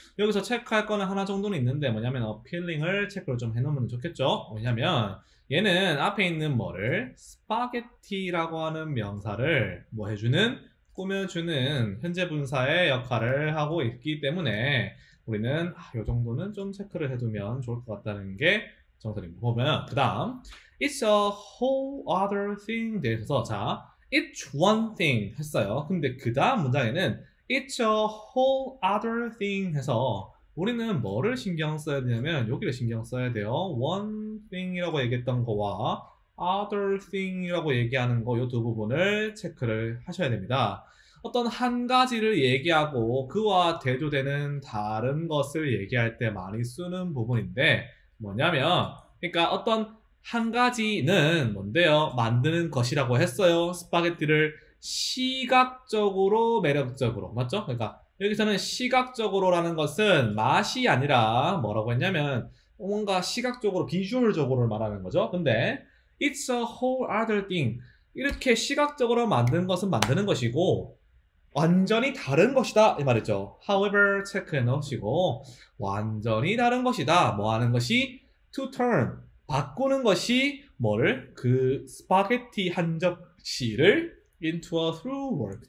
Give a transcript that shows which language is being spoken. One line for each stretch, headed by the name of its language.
Korean: 여기서 체크할 거는 하나 정도는 있는데 뭐냐면 어필링을 체크를 좀 해놓으면 좋겠죠? 왜냐면 얘는 앞에 있는 뭐를 스파게티라고 하는 명사를 뭐 해주는 꾸며주는 현재 분사의 역할을 하고 있기 때문에 우리는 요 정도는 좀 체크를 해두면 좋을 것 같다는 게 정설입니다. 보면 그 다음 It's a whole other thing 대해서 자 It's one thing 했어요. 근데 그 다음 문장에는 It's a whole other thing 해서 우리는 뭐를 신경 써야 되냐면 여기를 신경 써야 돼요. One thing이라고 얘기했던 거와 other thing이라고 얘기하는 거, 요두 부분을 체크를 하셔야 됩니다. 어떤 한 가지를 얘기하고 그와 대조되는 다른 것을 얘기할 때 많이 쓰는 부분인데 뭐냐면, 그러니까 어떤 한 가지는 뭔데요? 만드는 것이라고 했어요. 스파게티를 시각적으로 매력적으로. 맞죠? 그러니까 여기서는 시각적으로라는 것은 맛이 아니라 뭐라고 했냐면 뭔가 시각적으로, 비주얼적으로 말하는 거죠.
English: 근데 It's a whole other thing.
Korean: 이렇게 시각적으로 만든 것은 만드는 것이고, 완전히 다른 것이다. 이 말이죠. However, 체크해 놓으시고, 완전히 다른 것이다. 뭐 하는 것이? To turn. 바꾸는 것이 뭐를? 그 스파게티 한 접시를 into a through work.